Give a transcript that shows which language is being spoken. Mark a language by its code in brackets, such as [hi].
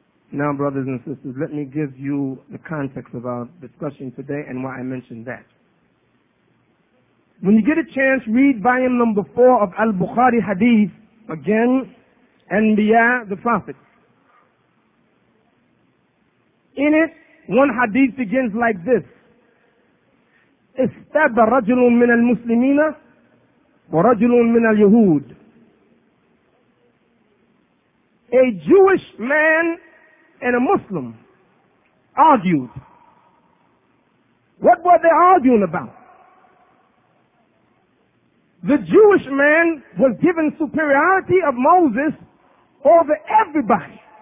[en] Now, brothers and sisters, let me give you the context of our discussion today and why I mentioned that. When you get a chance, read volume number 4 of Al-Bukhari Hadith, again, Anbiya, the Prophet. In it, one hadith begins like this. [ar] استبى رجل من المسلمين ورجل من اليهود. [en] A Jewish man and a Muslim argued. What were they arguing about? The Jewish man was given superiority of Moses over everybody.